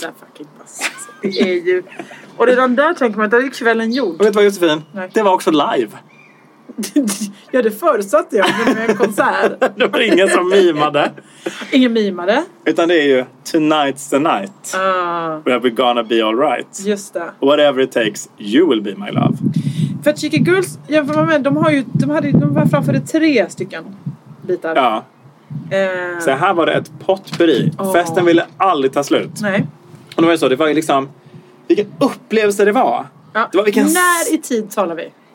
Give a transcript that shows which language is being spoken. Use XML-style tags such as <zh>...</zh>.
<sv>Da fucking bass. Det är ju... Och redan där tänker man att det är kvällen gjort. Och vet du vad, Josefin? Nej. Det var också live. Ja, det förutsatte jag med en konsert. Det var ingen som mimade. Ingen mimade. Utan det är ju</sv> <en>tonight's the night. Where we're gonna be alright.</en> <sv>Just det.</sv> <en>Whatever it takes, you will be my love.</en> <sv>För Cheeky Girls, jämför med, de har ju, de var framför tre stycken bitar. Ja. Så här var det ett potpourri. Festen ville aldrig ta slut. Nej. Och då var det så, det var liksom, vilken upplevelse det var. Ja. Det var vilken... När i tid talar vi?</sv>